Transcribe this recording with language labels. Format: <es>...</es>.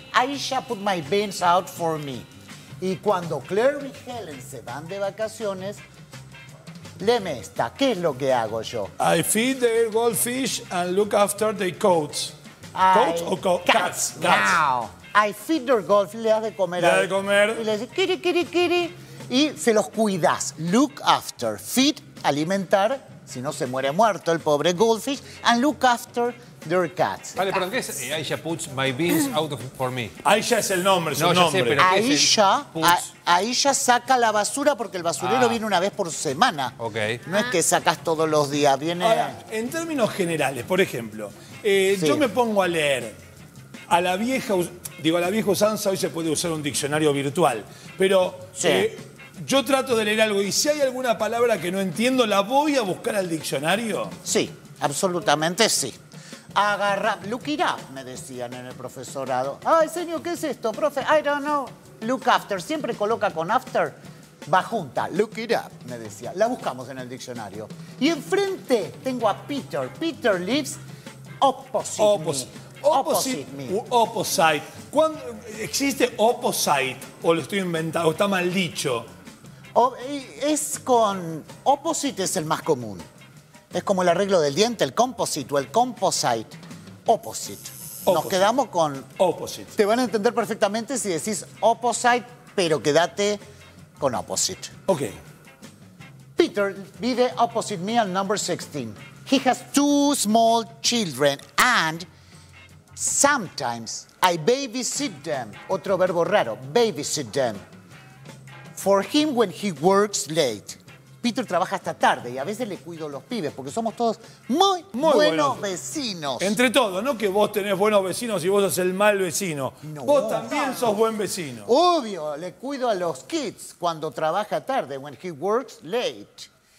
<en>Aisha put my bins out for me.</en> <es>Y cuando Claire y Helen se van de vacaciones, léeme esta, ¿qué es lo que hago yo?</es> <en>I feed their goldfish and look after their coats.</en> <es>¿Coats o cats?</es> <en>Cats. Wow. I feed their goldfish,</en> <es>le das de comer. Le das de comer. Y le dices, kiri, kiri, kiri. Y se los cuidas.</es> <en>Look after, feed,</en> <es>alimentar, si no se muere muerto el pobre goldfish,</es> <en>and look after their cats.</en> <es>Vale, pero ¿qué es Aisha</es> <en>puts my beans out for me?</en> <es>Aisha es el nombre, su nombre. Sé, pero Aisha, Aisha saca la basura porque el basurero viene una vez por semana. Ok. No es que sacas todos los días, viene... Ahora, en términos generales, por ejemplo, sí. Yo me pongo a leer a la vieja... Digo, a la vieja usanza hoy se puede usar un diccionario virtual, pero... Sí. Yo trato de leer algo y si hay alguna palabra que no entiendo, ¿la voy a buscar al diccionario? Sí, absolutamente sí. Agarra,</es> <en>look it up,</en> <es>me decían en el profesorado. Ay, señor, ¿qué es esto, profe?</es> <en>I don't know. Look after,</en> <es>siempre coloca con after, va junta.</es> <en>Look it up,</en> <es>me decía. La buscamos en el diccionario. Y enfrente tengo a Peter.</es> <en>Peter lives opposite me.</en> <es>¿Cuándo existe opposite o lo estoy inventando, o está mal dicho? Es con... Opposite es el más común. Es como el arreglo del diente, el composite o el composite. Opposite. Opposite. Nos quedamos con... Opposite. Te van a entender perfectamente si decís opposite, pero quédate con opposite. Ok.</es> <en>Peter</en> <es>vive</es> <en>opposite me at number 16. He has two small children and sometimes I babysit them.</en> <es>Otro verbo raro,</es> <en>babysit them. For him when he works late.</en> <es>Peter trabaja hasta tarde y a veces le cuido a los pibes porque somos todos muy, muy buenos vecinos. Entre todos, no que vos tenés buenos vecinos y vos sos el mal vecino. No, vos no, también no. Sos buen vecino. Obvio, le cuido a los kids cuando trabaja tarde,</es> <en>when he works late.</en>